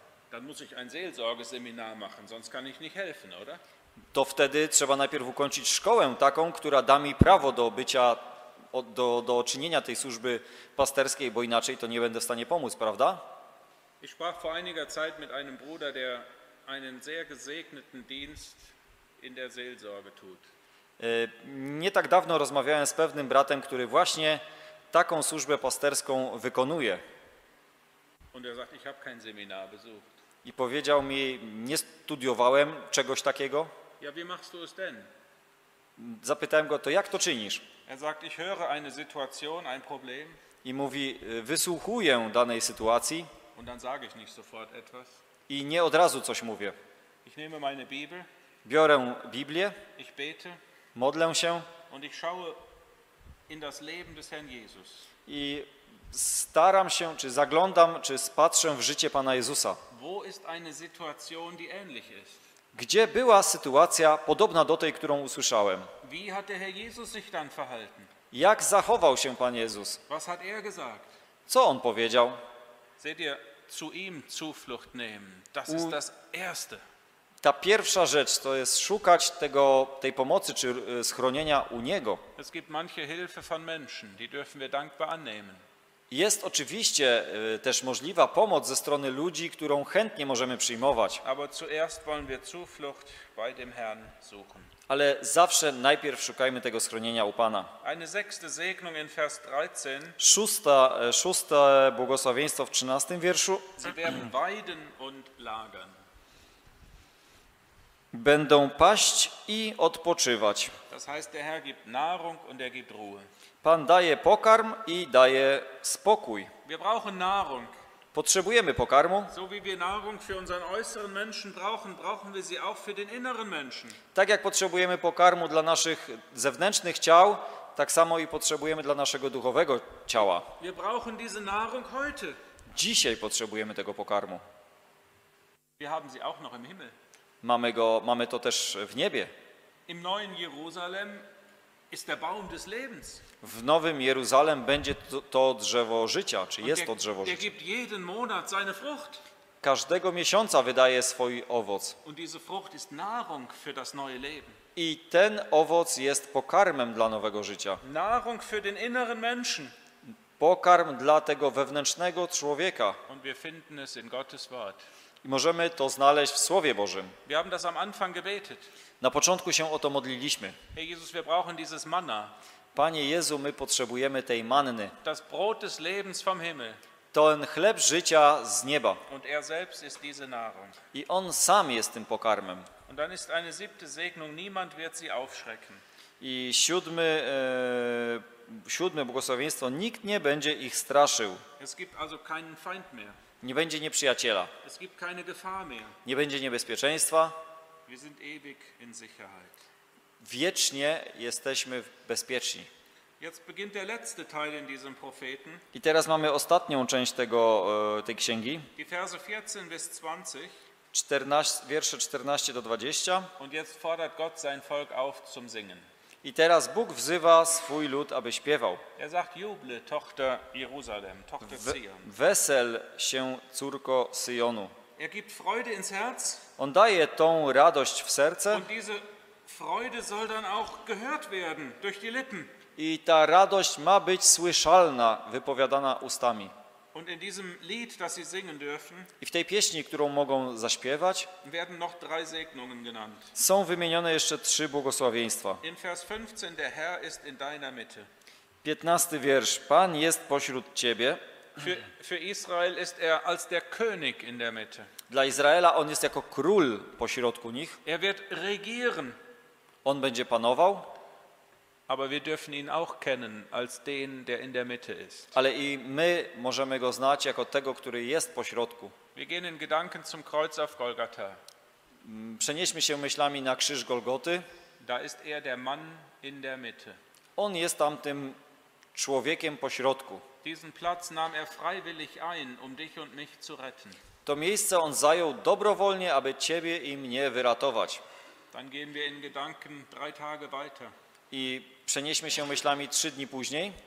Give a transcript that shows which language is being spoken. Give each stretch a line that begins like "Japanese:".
German: Dann muss ich ein Seelsorgeseminar machen, sonst kann ich nicht helfen, oder?
Polish: To wtedy trzeba najpierw ukończyć szkołę taką, która da mi prawo do bycia, do czynienia tej służby pasterskiej, bo inaczej to nie będę w stanie pomóc, prawda?
German: Ich sprach vor einiger Zeit mit einem Bruder, der einen sehr gesegneten Dienst in der Seelsorge tut.
Polish: Nie tak dawno rozmawiałem z pewnym bratem, który właśnie taką służbę pasterską wykonuje.
German: Und er sagt, ich habe kein Seminar besucht.
Polish: I powiedział mi, nie studiowałem czegoś takiego.
German: Ja, wie machst du es denn?
Polish: Zapytałem go, to jak to czynisz?
German: Er sagt, ich höre eine Situation, ein Problem.
Polish: I mówi, wysłuchuję danej sytuacji.
German: Und dann sage ich nicht sofort etwas.
Polish: I nie od razu coś mówię.
German: Ich nehme meine Bibel.
Polish: Biorę Biblię.
German: Ich bete.
Polish: Modlę się.
German: Und ich schaue in das Leben des Herrn Jesus.
Polish: i staram się, czy zaglądam, czy spatrzę w życie Pana Jezusa.
German: Wo ist eine Situation, die ähnlich ist?
Polish: Gdzie była sytuacja podobna do tej, którą usłyszałem?
German: Wie hat der Herr Jesus sich dann verhalten?
Polish: Jak zachował się Pan Jezus?
German: Was hat er gesagt?
Polish: Co On powiedział?
German: Seht ihr, zu ihm Zuflucht nehmen. Das ist das Erste.
Polish: Ta pierwsza rzecz to jest szukać tego, tej pomocy czy schronienia u Niego.
German: Es gibt manche Hilfe von Menschen, die dürfen wir dankbar annehmen.
Polish: Jest oczywiście też możliwa pomoc ze strony ludzi, którą chętnie możemy przyjmować.
German: Aber zuerst wollen wir Zuflucht bei dem Herrn suchen.
Polish: Ale zawsze najpierw szukajmy tego schronienia u Pana.
German: Eine sechste Segnung in Vers 13.
Polish: Szóste błogosławieństwo w 13. wierszu.
German: Sie werden weiden und lagern.
Polish: Będą paść i odpoczywać.
German: Das heißt, der Herr gibt Nahrung und er gibt Ruhe.
Polish: Pan daje pokarm i daje spokój.
German: Wir brauchen Nahrung.
Polish: Potrzebujemy pokarmu.
German: So wie wir Nahrung für unseren äußeren Menschen brauchen, brauchen wir sie auch für den inneren Menschen.
Polish: Tak jak potrzebujemy pokarmu dla naszych zewnętrznych ciał, tak samo i potrzebujemy dla naszego duchowego ciała.
German: Wir brauchen diese Nahrung heute.
Polish: Dzisiaj potrzebujemy tego pokarmu.
German: Wir haben sie auch noch im Himmel.
Polish: Mamy to też w niebie.
German: Im neuen Jerusalem ist der Baum des Lebens.
Polish: W Nowym Jeruzalem będzie to drzewo życia, czy jest to drzewo życia.
German: Er gibt jeden Monat seine Frucht.
Polish: Każdego miesiąca wydaje swój owoc.
German: Und diese Frucht ist Nahrung für das neue Leben.
Polish: I ten owoc jest pokarmem dla nowego życia.
German: Nahrung für den inneren Menschen.
Polish: Pokarm dla tego wewnętrznego człowieka.
German: Und wir finden es in Gottes Wort.
Polish: I możemy to znaleźć w Słowie Bożym.
German: Wir haben das am Anfang gebetet.
Polish: Na początku się o to modliliśmy.
German: Herr Jesus, wir brauchen dieses Manna.
Polish: Panie Jezu, my potrzebujemy tej manny.
German: Das Brot des Lebens vom Himmel.
Polish: Ten chleb życia z nieba.
German: Und er selbst ist diese Nahrung.
Polish: I On sam jest tym pokarmem.
German: Und dann ist eine siebte Segnung. Niemand wird sie aufschrecken.
Polish: I siódme błogosławieństwo. Nikt nie będzie ich straszył.
German: Es gibt also keinen Feind mehr.
Polish: Nie będzie nieprzyjaciela.
German: Es gibt keine Gefahr mehr.
Polish: Nie będzie niebezpieczeństwa.
German: Wir sind ewig in Sicherheit.
Polish: Wiecznie jesteśmy bezpieczni.
German: Jetzt beginnt der letzte Teil in diesem Propheten.
Polish: I teraz mamy ostatnią część tej księgi.
German: Die Verse 14 bis 20.
Polish: Wiersze 14 do 20.
German: Und jetzt fordert Gott sein Volk auf zum Singen.
Polish: I teraz Bóg wzywa swój lud, aby śpiewał.
German: Er sagt, juble, Tochter Jerusalem, Tochter Zion.
Polish: Wesel się, córko Syjonu.
German: Er gibt Freude ins Herz.
Polish: On daje tą radość w serce.
German: Und diese Freude soll dann auch gehört werden durch die Lippen.
Polish: I ta radość ma być słyszalna, wypowiadana ustami.
German: Und in diesem Lied, das sie singen dürfen,
Polish: i w tej pieśni, którą mogą zaśpiewać,
German: werden noch drei Segnungen genannt.
Polish: Są wymienione jeszcze trzy błogosławieństwa.
German: In Vers 15, der Herr ist in deiner Mitte.
Polish: 15. wiersz. Pan jest pośród ciebie.
German: Für Israel ist er als der König in der Mitte.
Polish: Dla Izraela on jest jako król pośrodku nich.
German: Er wird regieren.
Polish: On będzie panował.
German: Aber wir dürfen ihn auch kennen als den, der in der Mitte ist.
Polish: Ale i my możemy go znać jako tego, który jest pośrodku.
German: Wir gehen in Gedanken zum Kreuz auf Golgatha.
Polish: Przenieśmy się myślami na krzyż Golgoty.
German: Da ist er der Mann in der Mitte.
Polish: On jest tam tym człowiekiem pośrodku.
German: Diesen Platz nahm er freiwillig ein, um dich und mich zu retten.
Polish: To miejsce on zajął dobrowolnie, aby ciebie i mnie wyratować.
German: Dann gehen wir in Gedanken drei Tage weiter.
Polish: I przenieśmy się myślami trzy dni później.